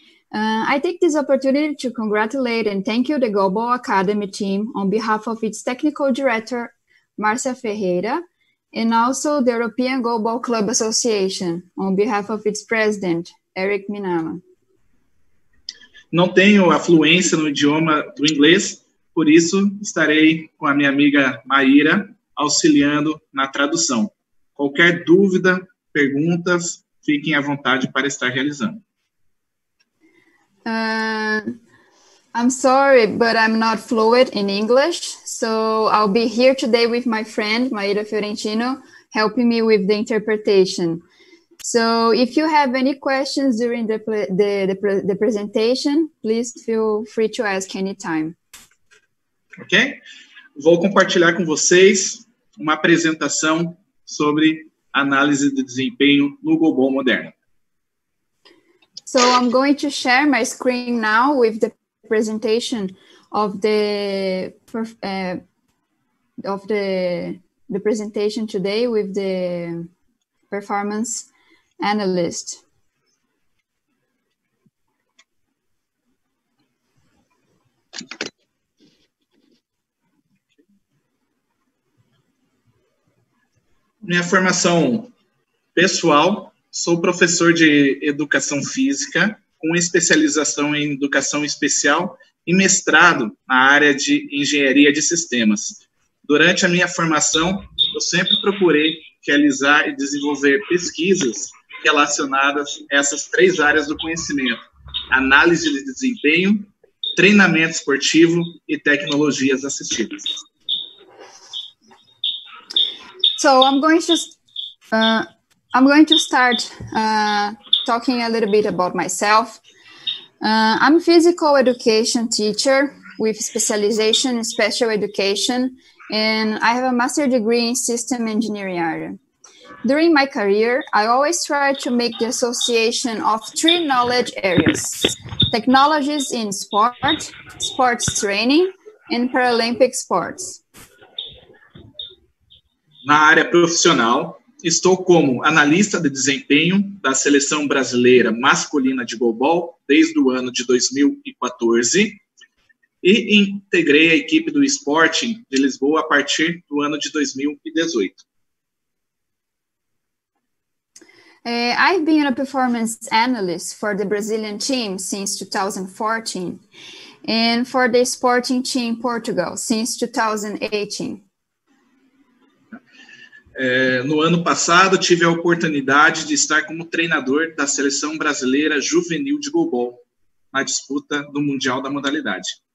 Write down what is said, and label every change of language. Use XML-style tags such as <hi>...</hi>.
<en>I take this opportunity to congratulate and thank you the Goalball Academy team on behalf of its technical director, Marcia Ferreira, and also the European Goalball Club Association on behalf of its president, Eric Minama.</en> <pt>Não tenho afluência no idioma do inglês, por isso estarei com a minha amiga Maíra auxiliando na tradução. Qualquer dúvida, perguntas, fiquem à vontade para estar realizando.</pt> <en>I'm sorry, but I'm not fluent in English, so I'll be here today with my friend Maíra Fiorentino, helping me with the interpretation. So if you have any questions during the presentation, please feel free to ask anytime. Ok?</en> <pt>Vou compartilhar com vocês uma apresentação sobre análise de desempenho no Goalball moderno.</pt> <en>So I'm going to share my screen now with the presentation of the presentation today with the performance analyst.</en> <pt>Minha formação pessoal, sou professor de educação física, com especialização em educação especial e mestrado na área de engenharia de sistemas. Durante a minha formação, eu sempre procurei realizar e desenvolver pesquisas relacionadas a essas três áreas do conhecimento: análise de desempenho, treinamento esportivo e tecnologias assistidas.</pt> <en>So I'm going to start talking a little bit about myself. I'm a physical education teacher with specialization in special education, and I have a master's degree in system engineering art. During my career, I always try to make the association of three knowledge areas: technologies in sport, sports training, and Paralympic sports.</en> <pt>Na área profissional, estou como analista de desempenho da seleção brasileira masculina de goalball desde o ano de 2014 e integrei a equipe do Sporting de Lisboa a partir do ano de 2018.</pt> <en>I've been a performance analyst for the Brazilian team since 2014 and for the Sporting team Portugal since 2018.</en> <pt>No ano passado, tive a oportunidade de estar como treinador da seleção brasileira juvenil de goalball na disputa do Mundial da Modalidade.</pt>